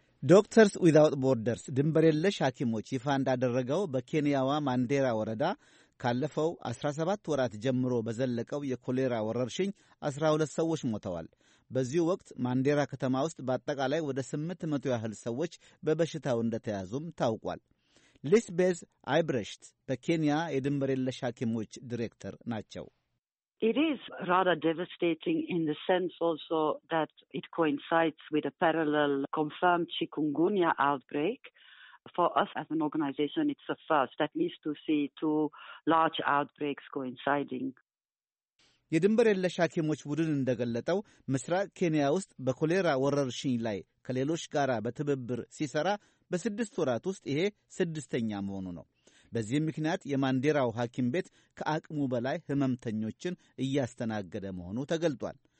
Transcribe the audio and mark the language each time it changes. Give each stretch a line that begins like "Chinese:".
Amharic: ዶክተርስ ዊዛውት ቦርደርስ ድንበር የለሽ ሐኪሞች ይፋ እንዳደረገው በኬንያዋ ማንዴራ ወረዳ ካለፈው 17 ወራት ጀምሮ በዘለቀው የኮሌራ ወረርሽኝ 12 ሰዎች ሞተዋል። በዚሁ ወቅት ማንዴራ ከተማ ውስጥ በአጠቃላይ ወደ 800 ያህል ሰዎች በበሽታው እንደተያዙም ታውቋል። ሊስቤዝ አይብረሽት በኬንያ የድንበር የለሽ ሐኪሞች ዲሬክተር ናቸው።
English: It is rather devastating in the sense also that it coincides with a parallel confirmed chikungunya outbreak. For us as an organization, it's a first, at least to see two large outbreaks coinciding.
Amharic: የድንበር የለሽ ሐኪሞች ቡድን እንደገለጠው ምስራቅ ኬንያ ውስጥ በኮሌራ ወረርሽኝ ላይ ከሌሎች ጋር በትብብር ሲሰራ በስድስት ወራት ውስጥ ይሄ ስድስተኛ መሆኑ ነው። በዚህም ምክንያት የማንዴራው ሐኪም ቤት ከአቅሙ በላይ ህመምተኞችን እያስተናገደ መሆኑ ተገልጧል።